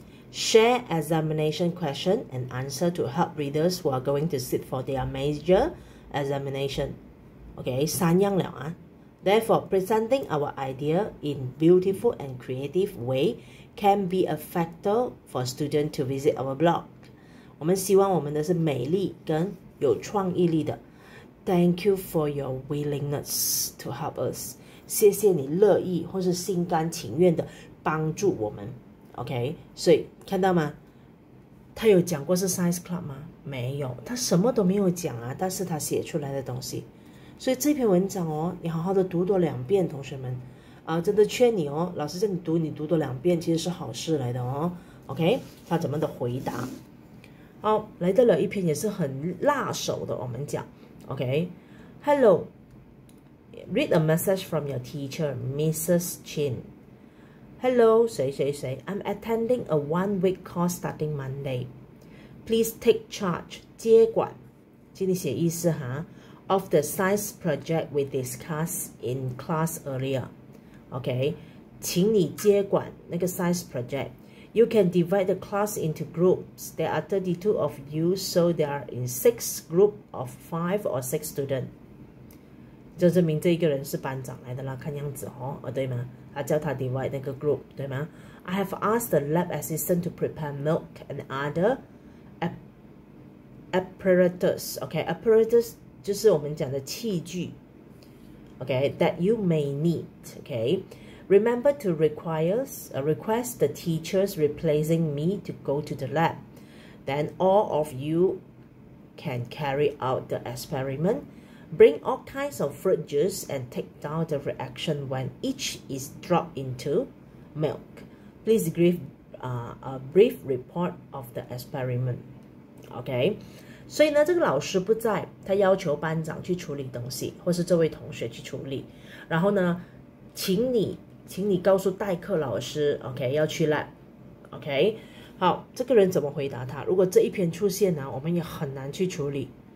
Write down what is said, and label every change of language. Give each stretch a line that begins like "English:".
English: Share examination question and answer to help readers who are going to sit for their major examination. Okay,
Chinese: 三样了啊。
English: Therefore, presenting our idea in beautiful and creative way can be a factor for students to visit our blog.
Chinese: 我们希望我们的是美丽跟有创意力的。
English: Thank you for your willingness to help us.
Chinese: 谢谢你乐意或是心甘情愿的帮助我们 ，OK？所以看到吗？他有讲过是 Science Club 吗？没有，他什么都没有讲啊。但是他写出来的东西，所以这篇文章哦，你好好的读多两遍，同学们啊，真的劝你哦，老师叫你读，你读多两遍其实是好事来的哦 ，OK？他怎么的回答？好，来到了一篇也是很辣手的，我们讲 ，OK？Hello。Okay?
English: Read a message from your teacher, Mrs. Chin. Hello, 谁谁谁 I'm attending a one-week course starting Monday. Please take charge,
Chinese: 接管，这里写意思哈
English: of the science project we discussed in class earlier.
Chinese: Okay, 请你接管那个 science project.
English: You can divide the class into groups. There are 32 of you, so there are in 6 groups of 5 or 6 students.
Chinese: 就证明这一个人是班长来的啦，看样子哦，对吗？他叫他 divide 那个 group， 对吗
English: ？I have asked the lab assistant to prepare milk and other apparatus. Okay, apparatus
Chinese: 就是我们讲的器具。
English: Okay, that you may need. Okay, remember to request the teachers replacing me to go to the lab. Then all of you can carry out the experiment. Bring all kinds of fruit juice and take down the reaction when each is dropped into milk. Please give a brief report of the experiment.
Chinese: OK, 所以呢，这个老师不在，他要求班长去处理东西，或是这位同学去处理。然后呢，请你告诉代课老师 ，OK， 要去 lab。 OK， 好，这个人怎么回答他？如果这一篇出现呢，我们也很难去处理。